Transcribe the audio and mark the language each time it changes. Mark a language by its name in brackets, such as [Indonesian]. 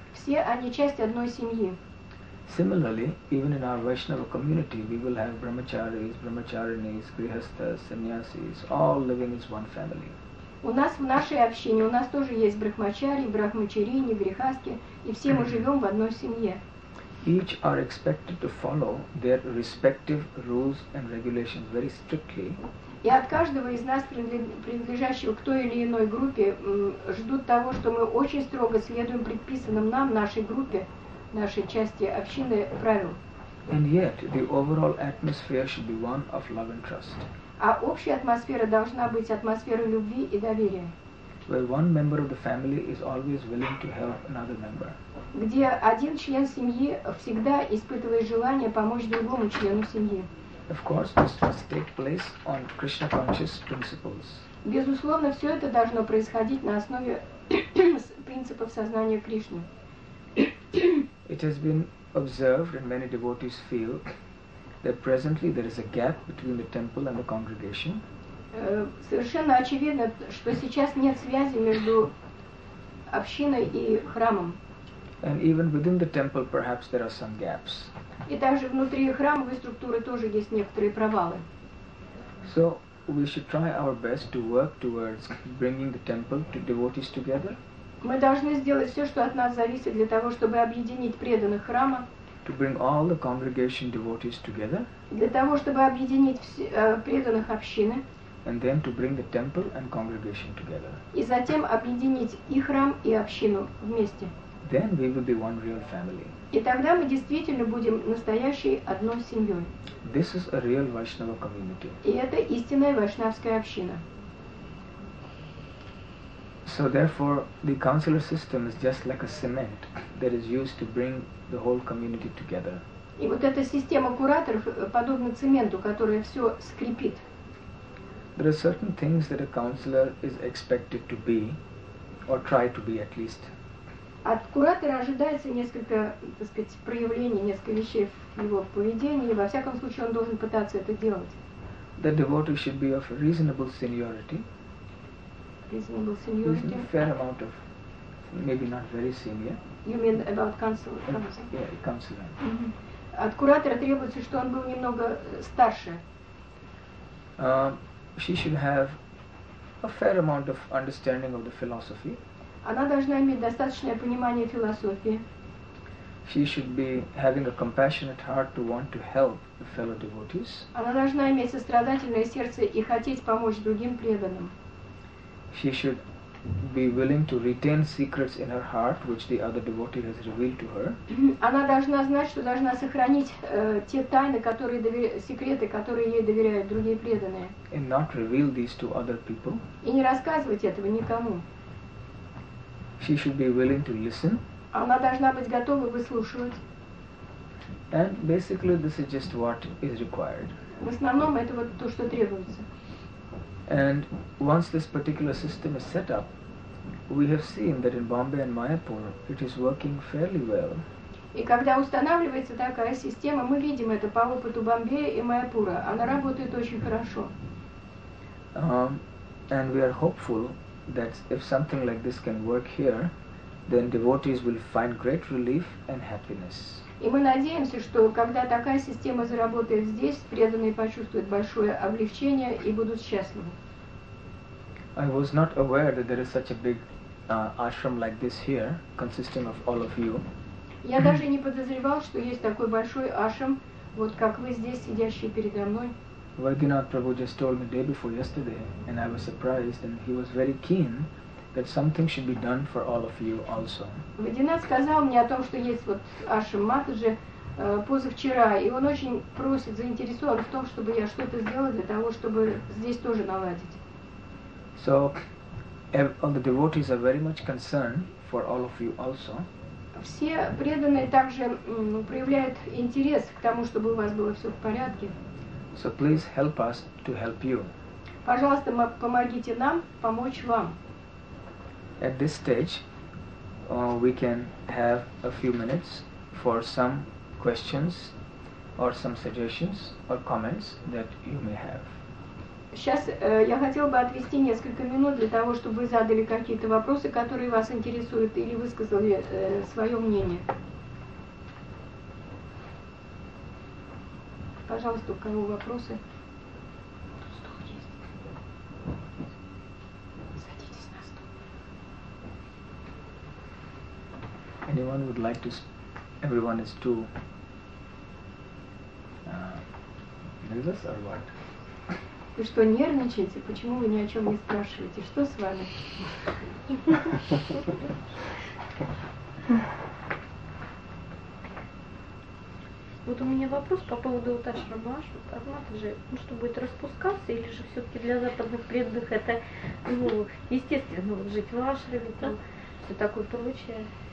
[Russian] Все они часть одной семьи. [English] Similarly, even in our Vaishnava community, we will have brahmacharis, brahmacharinis, grihasthas, sannyasis, all living as one family. [Russian] У нас в нашей общине, у нас тоже есть брахмачари, брахмачарини, грихастки, и все мы живем в одной семье. [English] Each are expected to follow their respective rules and regulations very strictly. [Russian] И от каждого из нас, принадлежащего к той или иной группе, ждут того, что мы очень строго следуем предписанным нам, нашей группе, нашей части общины, правил. [English] And yet, the overall atmosphere should be one of love and trust. [Russian] А общая атмосфера должна быть атмосферой любви и доверия. [English] where one member of the family is always willing to help another member. [Russian] Где один член семьи всегда испытывает желание помочь другому члену семьи. [English] Of course, this must take place on Krishna conscious principles. [Russian] Безусловно, все это должно происходить на основе принципов сознания Кришны. [English] It has been observed, and many devotees feel that presently there is a gap between the temple and the congregation. [Russian] Совершенно очевидно, что сейчас нет связи между общиной и храмом. [English] And even within the temple, perhaps there are some gaps. [Russian] И также внутри храмовой структуры тоже есть некоторые провалы. [English] So we should try our best to work towards bringing the temple to devotees together. [Russian] Мы должны сделать все, что от нас зависит, для того, чтобы объединить преданных храма. [English] To bring all the congregation devotees together. [Russian] Для того, чтобы объединить преданных общины. [English] And then to bring the temple and congregation together. [Russian] И затем объединить и храм, и общину вместе. [English] Then we will be one real family. [Russian] И тогда мы действительно будем настоящей одной семьей. [English] This is a real Vaishnava community. [Russian] И это истинная вайшнавская община. [English] So therefore, the councillor system is just like a cement that is used to bring the whole community together. [Russian] И вот эта система кураторов подобна цементу, которая все скрепит. [English] There are certain things that a councillor is expected to be, or try to be at least. [Russian] От куратора ожидается несколько, так сказать, проявлений, несколько вещей в его поведении. Во всяком случае, он должен пытаться это делать. [English] The devotee should be of reasonable seniority. Reasonable seniority. A fair amount of, maybe not very senior. You mean about counselor? Yeah, counselor. Mm-hmm. [Russian] От куратора требуется, что он был немного старше. [English] She should have a fair amount of understanding of the philosophy. [Russian] Она должна иметь достаточное понимание философии. [English] She should be having a compassionate heart to want to help the fellow devotees. [Russian] Она должна иметь сострадательное сердце и хотеть помочь другим преданным. [English] She should be willing to retain secrets in her heart, which the other devotee has revealed to her. [Russian] Она должна знать, что должна сохранить те тайны, которые секреты, которые ей доверяют другие преданные. [English] And not reveal these to other people. [Russian] И не рассказывать этого никому. [English] She should be willing to listen. [Russian] Она должна быть готова выслушивать. [English] And basically, this is just what is required. [Russian] В основном это вот то, что требуется. [English] And once this particular system is set up, we have seen that in Bombay and Mayapur it is working fairly well. [Russian] И когда устанавливается такая система, мы видим это по опыту Бомбея и Майяпура. Она работает очень хорошо. [English] And we are hopeful that if something like this can work here, then devotees will find great relief and happiness. [Russian] И мы надеемся, что когда такая система заработает здесь, преданные почувствуют большое облегчение и будут счастливы. [English] I was not aware that there is such a big ashram like this here, consisting of all of you. [Russian] Я даже не подозревал, что есть такой большой ашрам, вот как вы здесь, сидящие передо мной. [English] Vaidyanath Prabhu just told me day before yesterday, and I was surprised, and he was very keen that something should be done for all of you also. [Russian] Vaidyanath сказал мне о том, что есть вот Ашрам Матаджи позавчера, и он очень просит, заинтересован в том, чтобы я что-то сделал для того, чтобы здесь тоже наладить. [English] So, all the devotees are very much concerned for all of you also. [Russian] Все преданные также проявляют интерес к тому, чтобы у вас было все в порядке. [English] So please help us to help you. [Russian] Пожалуйста, помогите нам помочь вам. [English] At this stage, we can have a few minutes for some questions or some suggestions or comments that you may have. [Russian] Сейчас я хотел бы отвести несколько минут для того, чтобы вы задали какие-то вопросы, которые вас интересуют, или высказали свое мнение. Пожалуйста, у кого вопросы? Тут стул есть. Садитесь на стул. [English] Anyone would like to everyone is too nervous or what? [Russian] Вы что, нервничаете? Почему вы ни о чем не спрашиваете? Что с вами? [English] Yeah. [Russian] Вот у меня вопрос по поводу вот ашрама, ашрама, это же, ну что, будет распускаться, или же все-таки для западных преданных это, ну, естественно, вот жить в ашраме, там, все такое прочее.